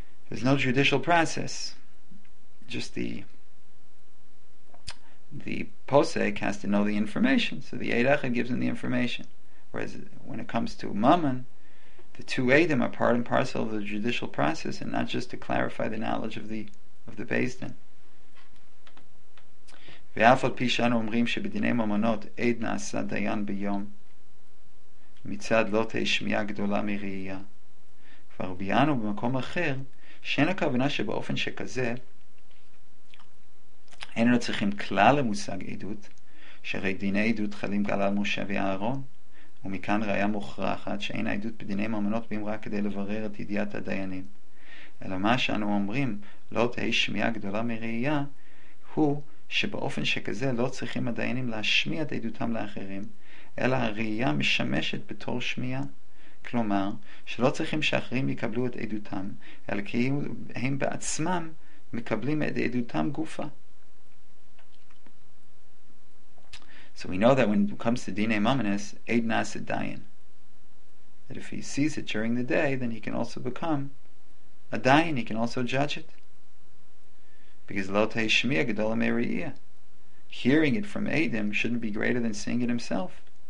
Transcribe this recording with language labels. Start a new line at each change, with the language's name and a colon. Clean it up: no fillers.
English: There's no judicial process. Just the Posek has to know the information, so the Eid Echad gives him the information. Whereas when it comes to Mammon, the two Eidim are part and parcel of the judicial process, and not just to clarify the knowledge of the Beis Din.
Hebrew: ואף על פי שאנו אומרים שבדיני ממונות עד נעשה דיין ביום מצד לא תהיה שמיעה גדולה מראייה. כבר ביאנו במקום אחר שאין הכוונה שבאופן שכזה איננו צריכים כלל למושג עדות, שהרי דיני עדות חלים גם על משה ואהרון, ומכאן ראיה מוכרחת שאין העדות בדיני ממונות באים רק כדי לברר את ידיעת הדיינים. אלא מה שאנו אומרים לא תהיה שמיעה גדולה מראייה הוא שבאופן שכזה לא צריכים הדיינים להשמיע את עדותם לאחרים, אלא הראייה משמשת בתור שמיעה. כלומר, שלא צריכים שאחרים יקבלו את עדותם, אלא כי הם בעצמם מקבלים את עדותם גופה.
English: So we know that when it comes to Dinei Mamonos,
Hebrew: Eid Nasa Dayan.
English: That if he sees it during the day, then he can also become a Dayan, he can also judge it. Because
Hebrew: lo tei shmiya gedola meriya,
English: hearing it from Eidim shouldn't be greater than seeing it himself.